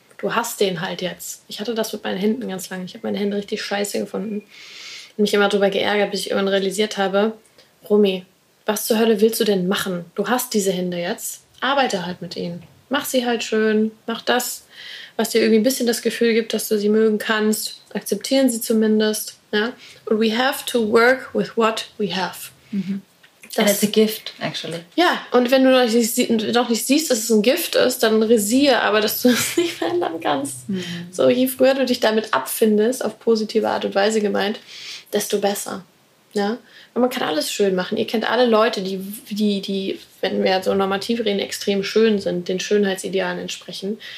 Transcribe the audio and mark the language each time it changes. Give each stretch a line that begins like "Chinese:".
German: Du hast den halt jetzt. Ich hatte das mit meinen Händen ganz lange. Ich habe meine Hände richtig scheiße gefunden. Und mich immer darüber geärgert, bis ich irgendwann realisiert habe, Romy, was zur Hölle willst du denn machen? Du hast diese Hände jetzt. Arbeite halt mit ihnen. Mach sie halt schön. Mach das, was dir irgendwie ein bisschen das Gefühl gibt, dass du sie mögen kannst. Akzeptieren sie zumindest. Ja?
English: And we have to work with what we have. Mm-hmm. That's a gift, actually.
German: Ja, und wenn du noch nicht siehst, dass es ein Gift ist, dann resiere aber, dass du es nicht verändern kannst. Mm-hmm. So, je früher du dich damit abfindest, auf positive Art und Weise gemeint, desto besser. Ja? Und man kann alles schön machen. Ihr kennt alle Leute, die wenn wir so normativ reden, extrem schön sind, den Schönheitsidealen entsprechen.